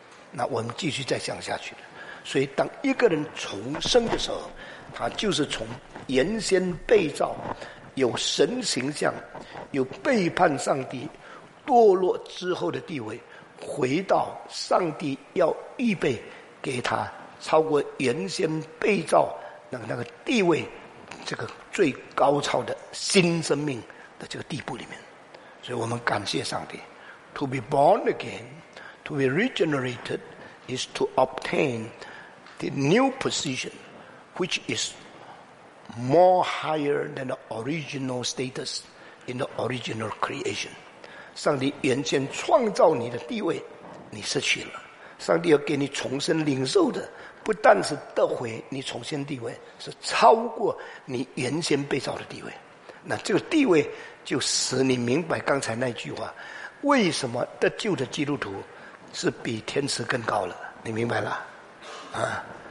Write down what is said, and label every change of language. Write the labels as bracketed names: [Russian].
[Chinese] 那我们继续再讲下去。所以当一个人重生的时候，他就是从原先被造有神形象、有背叛上帝、堕落之后的地位，回到上帝要预备给他超过原先被造那个地位这个最高超的新生命的这个地步里面。所以我们感谢上帝， [English] To be born again, to be regenerated is to obtain the new position which is more higher than the original status in the original creation。 [Chinese] 上帝原先创造你的地位你失去了，上帝要给你重生领受的不但是得回你重新地位，是超过你原先被造的地位。那这个地位就使你明白刚才那句话，为什么得救的基督徒是比天使更高了，你明白了啊？